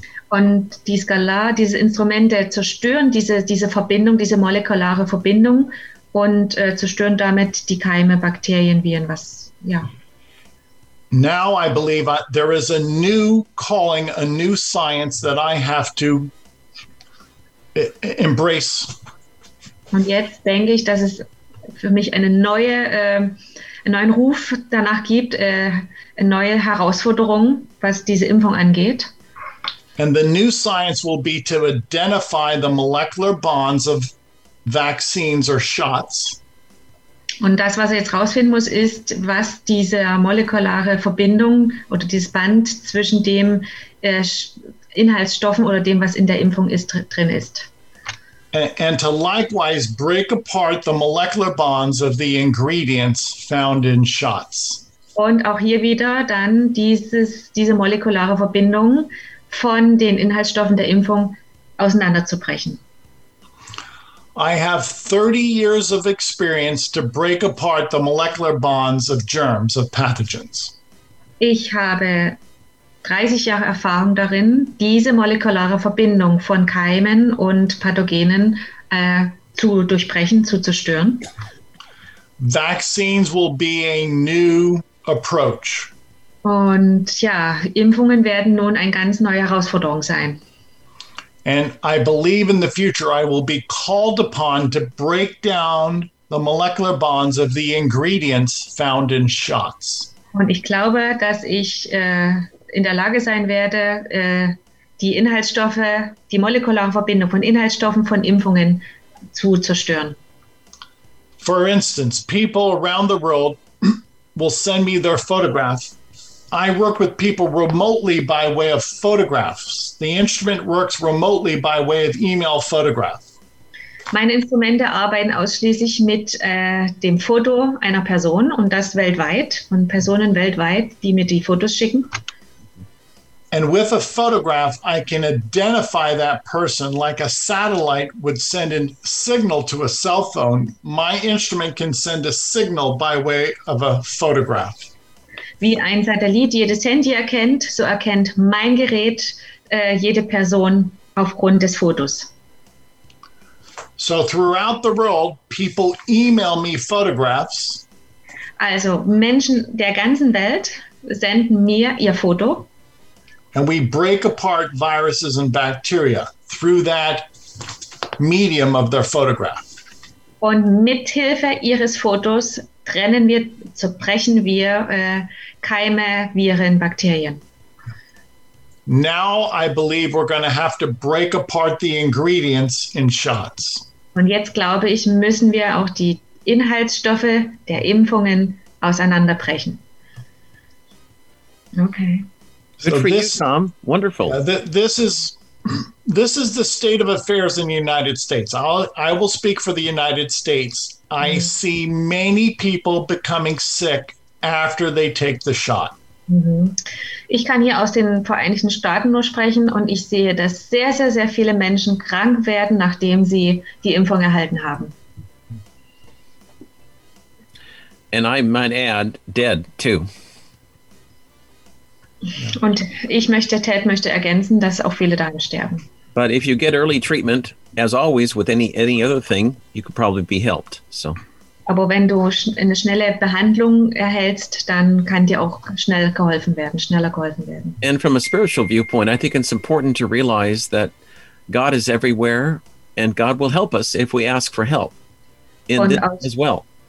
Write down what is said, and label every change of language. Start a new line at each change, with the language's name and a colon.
German: Und die Skala, diese Instrumente zerstören diese Verbindung, diese molekulare Verbindung und zerstören damit die Keime, Bakterien, Viren, was, ja.
English: Now I believe there is a new calling, a new science that I have to embrace.
German: Und jetzt denke ich, dass es für mich einen neuen Ruf danach gibt, eine neue Herausforderung, was diese Impfung angeht.
English: And the new science will be to identify the molecular bonds of vaccines or shots.
German: Und das, was er jetzt rausfinden muss, ist, was diese molekulare Verbindung oder dieses Band zwischen dem Inhaltsstoffen oder dem, was in der Impfung ist, drin ist.
English: And to likewise break apart the molecular bonds of the ingredients found in shots.
German: Und auch hier wieder dann diese molekulare Verbindung von den Inhaltsstoffen der Impfung auseinanderzubrechen.
English: I have 30 years of experience to break apart the molecular bonds of germs, of pathogens.
German: Ich habe 30 Jahre Erfahrung darin, diese molekulare Verbindung von Keimen und Pathogenen zu durchbrechen, zu zerstören.
English: Vaccines will be a new approach.
German: Und ja, Impfungen werden nun eine ganz neue Herausforderung sein.
English: And I believe in the future I will be called upon to break down the molecular bonds of the ingredients found in shots.
German: Und ich glaube, dass ich in der Lage sein werde, die Inhaltsstoffe, die molekulare Verbindung von Inhaltsstoffen von Impfungen zu zerstören.
English: For instance, people around the world will send me their photograph. I work with people remotely by way of photographs. The instrument works remotely by way of email photograph.
German: Meine Instrumente arbeiten ausschließlich mit dem Foto einer Person und das weltweit und Personen weltweit, die mir die Fotos schicken.
English: And with a photograph, I can identify that person like a satellite would send a signal to a cell phone. My instrument can send a signal by way of a photograph.
German: Wie ein Satellit jedes Handy erkennt, so erkennt mein Gerät jede Person aufgrund des Fotos.
English: So throughout the world, people email me photographs.
German: Also Menschen der ganzen Welt senden mir ihr Foto.
English: And we break apart viruses and bacteria through that medium of their photograph.
German: Und mithilfe ihres Fotos trennen wir, zerbrechen wir Keime, Viren, Bakterien.
English: Now I believe we're going to have to break apart the ingredients in shots.
German: Und jetzt glaube ich, müssen wir auch die Inhaltsstoffe der Impfungen auseinanderbrechen.
English: Okay. Good so for this, you, Tom. Wonderful. This is the state of affairs in the United States. I will speak for the United States. Mm-hmm. I see many people becoming sick after they take the shot.
German: Ich kann hier aus den Vereinigten Staaten nur sprechen und ich sehe, dass sehr, sehr, sehr viele Menschen krank werden, nachdem sie die Impfung erhalten haben.
English: And I might add, dead too.
German: Und ich möchte, Ted möchte ergänzen, dass auch viele daran sterben.
English: But if you get early treatment, as always with any other thing, you could probably be helped. So.
German: Aber wenn du eine schnelle Behandlung erhältst, dann kann dir auch schnell geholfen werden, schneller geholfen werden.
English: And from a spiritual viewpoint, I think it's important to realize that God is everywhere and God will help us if we ask for help in this as well.